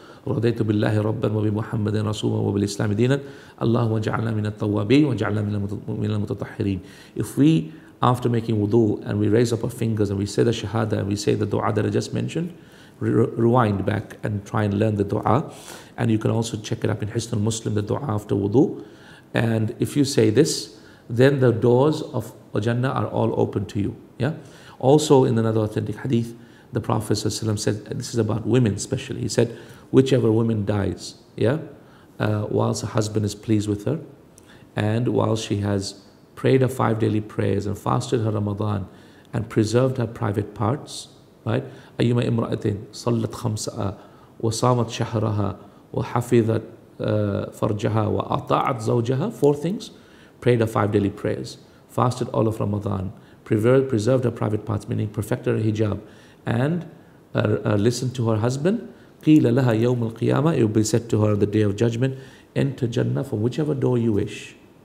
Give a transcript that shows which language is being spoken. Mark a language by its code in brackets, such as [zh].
[ar] رضيت بالله ربا وبمحمد رسولا وبالإسلام دينا اللهم اجعلنا من التوابين واجعلنا من المتطهرين. [en] If we, after making wudu and we raise up our fingers and we say the shahada and we say the dua that I just mentioned, rewind back and try and learn the dua, and you can also check it up in Hisn al-Muslim, the dua after wudu. And if you say this, then the doors of Jannah are all open to you. Yeah. Also in another authentic hadith, the Prophet ﷺ said, this is about women especially, he said, whichever woman dies, yeah, whilst her husband is pleased with her, and while she has prayed her 5 daily prayers and fasted her Ramadan and preserved her private parts, right? [ar] أيما إمرأتين صلت خمسة وصامت شهرها وحفظت فرجها وأطاعت زوجها. [en] 4 things, prayed her 5 daily prayers, fasted all of Ramadan, preserved her private parts, meaning perfected her hijab, and listened to her husband. [ar] قِيلَ لَهَا يَوْمُ الْقِيَامَةِ, [en] it will be said to her on the day of judgment, enter Jannah from whichever door you wish.